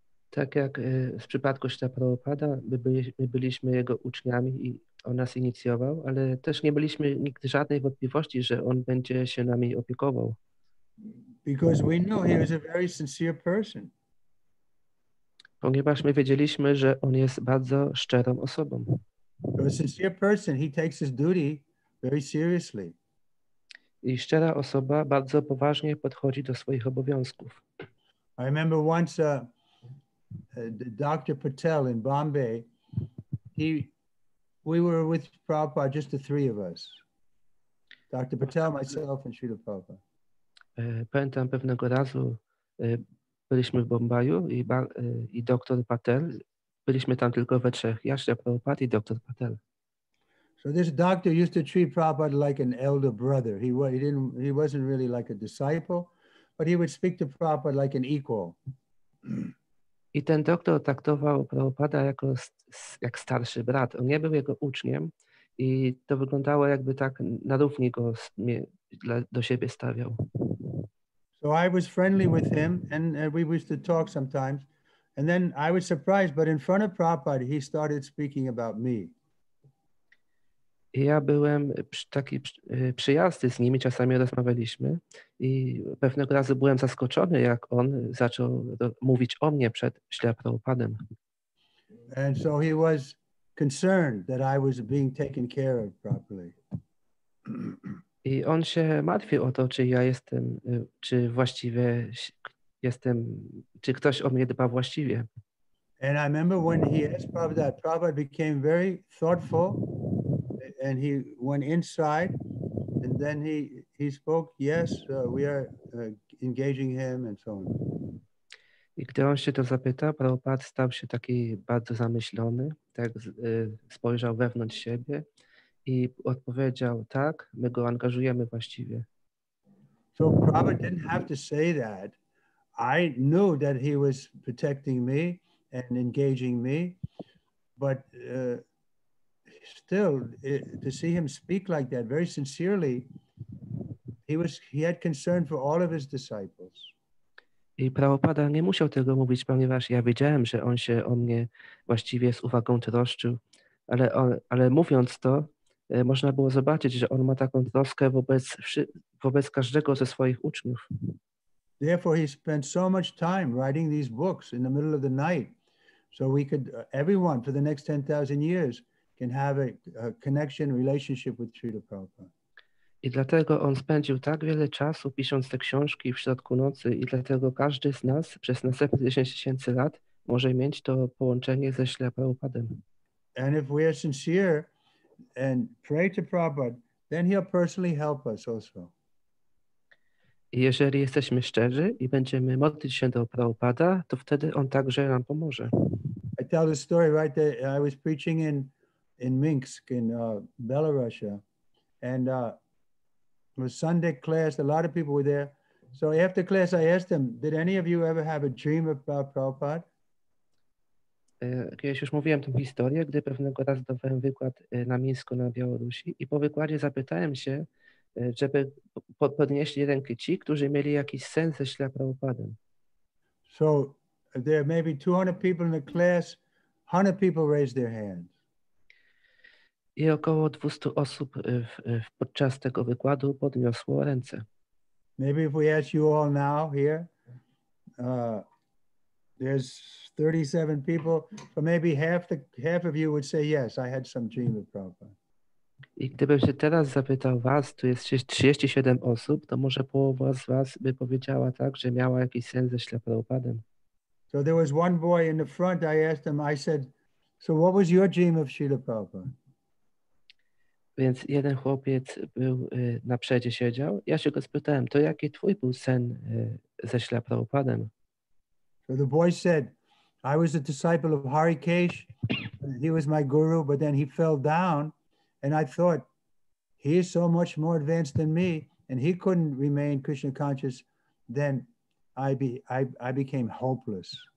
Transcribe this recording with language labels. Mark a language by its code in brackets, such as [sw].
[pl] Tak jak w przypadku Srila Prabhupada, my byliśmy jego uczniami i on nas inicjował, ale też nie mieliśmy nigdy żadnej wątpliwości, że on będzie się nami opiekował. [en] Because we knew he was a very sincere person. [pl] Ponieważ my wiedzieliśmy, że on jest bardzo szczerą osobą. [en] A sincere person, he takes his duty very seriously. [pl] I szczera osoba bardzo poważnie podchodzi do swoich obowiązków. [en] I remember once Dr. Patel in Bombay, we were with Prabhupada, just the three of us. Dr. Patel, myself, and Srila Prabhupada. [pl] Pamiętam pewnego razu, byliśmy w Bombaju i Dr. Patel. Byliśmy tam tylko we trzech. Ja, Srila Prabhupada i Dr. Patel. [en] So this doctor used to treat Prabhupada like an elder brother. He wasn't really like a disciple, but he would speak to Prabhupada like an equal. [pl] I ten doktor traktował Prabhupada jak starszy brat. On nie był jego uczniem i to wyglądało jakby tak na równi go do siebie stawiał. [en] So I was friendly with him and we used to talk sometimes. And then I was surprised, but in front of Prabhupada he started speaking about me. [pl] I ja byłem taki przyjazny z nimi, czasami rozmawialiśmy i pewnego razu byłem zaskoczony, jak on zaczął mówić o mnie przed Śle Prabhupadem. [en] And so he was concerned that I was being taken care of properly. [pl] I on się martwił o to, czy ja jestem, czy właściwie jestem, czy ktoś o mnie dba właściwie. [en] And I remember when he asked Prabhupada, Prabhupada became very thoughtful. And he went inside, and then he spoke, yes, we are engaging him, and so on. [pl] I gdy on się to zapytał, Prabhupada stał się taki bardzo zamyślony, tak spojrzał wewnątrz siebie i odpowiedział, tak, my go angażujemy właściwie. [en] So Prabhupada didn't have to say that. I knew that he was protecting me and engaging me, but... Still, to see him speak like that, very sincerely, he had concern for all of his disciples. [pl] I Prabhupada nie musiał tego mówić, ponieważ ja wiedziałem, że on się o mnie właściwie z uwagą troszczył, ale mówiąc to, można było zobaczyć, że on ma taką troskę wobec każdego ze swoich uczniów. [en] Therefore, he spent so much time writing these books in the middle of the night, so we could, everyone, for the next 10,000 years, can have a connection, relationship with Srila Prabhupada. [pl] I dlatego on spędził tak wiele czasu pisząc te książki w środku nocy i dlatego każdy z nas przez następne 10 tysięcy lat może mieć to połączenie ze Śla Prabhupadem. [en] And if we are sincere and pray to Prabhupada, then he'll personally help us also. [pl] I jeżeli jesteśmy szczerzy i będziemy modlić się do Prabhupada, to wtedy on także nam pomoże. [en] I tell the story, right, that I was preaching in Minsk, in Belarus, and it was Sunday class, a lot of people were there. So after class, I asked them, did any of you ever have a dream about Prabhupada? [pl] Kiedyś już mówiłem tę historię, gdy pewnego razu dawałem wykład na Mińsku, na Białorusi i po wykładzie zapytałem się, żeby podnieśli rękę ci, którzy mieli jakiś sen ze Śla Prabhupadem. [en] So there may be 200 people in the class, 100 people raised their hands. [pl] I około 200 osób podczas tego wykładu podniosło ręce. [en] Maybe if we ask you all now here, there's 37 people, but maybe half of you would say yes, I had some dream of Prabhupada. [pl] I gdybym się teraz zapytał was, tu jest 37 osób, to może połowa z was by powiedziała tak, że miała jakiś sen ze Śleprabhupadem. [en] So there was one boy in the front, I asked him, I said, so what was your dream of Śrīla Prabhupāda? [pl] Więc jeden chłopiec był naprzedzie siedział. Ja się go spytałem, to jaki twój był sen ze Śleprabhupadem? [en] So the boy said, I was a disciple of Harikesh, he was my guru, but then he fell down. And I thought, he is so much more advanced than me, and he couldn't remain Krishna conscious, then I became hopeless.